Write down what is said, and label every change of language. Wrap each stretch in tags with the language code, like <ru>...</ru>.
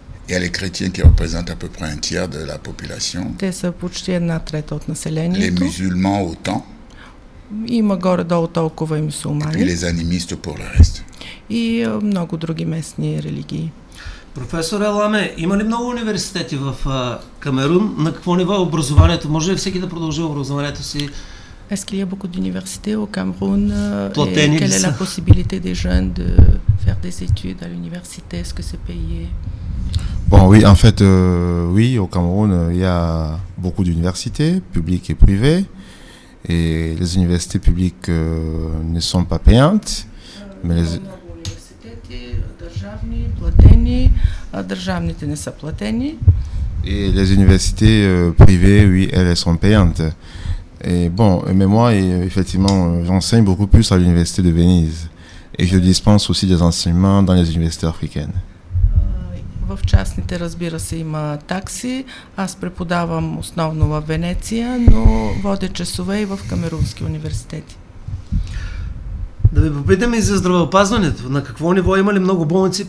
<fr>Et les chrétiens qui représentent à peu près un tiers de la population.</fr> <bg>Те са почти една трета от населението.</bg> <fr>Les musulmans autant.</fr> <bg>Има горе-долу толкова и мюсюлмани.</bg> <fr>Et les animistes pour le reste.</fr> <bg>И много други местни религии. Професор Аламе, има ли много университети в Камерун? На какво ниво е образованието? Може ли всеки да продължи образованието си?</bg> <fr>Est-ce qu'il y a beaucoup d'universités au Cameroun et quelle est la possibilité des jeunes de faire des études à l'université? Est-ce que c'est payé? Bon, oui, en fait, oui, au Cameroun, il y a beaucoup d'universités, publiques et privées. Et les universités publiques ne sont pas payantes. Mais les universités ne sont pas payantes. Et les universités privées, oui, elles sont payantes. Et bon, mais moi, effectivement, j'enseigne beaucoup plus à l'université de Venise. Et je dispense aussi des enseignements dans les universités africaines.</fr> <bg>В частните, разбира се, има такси. Аз преподавам основно в Венеция, но водя часове и в камерунски университети. Да ви попитам и за здравеопазването. На какво ниво има ли много болници?</bg>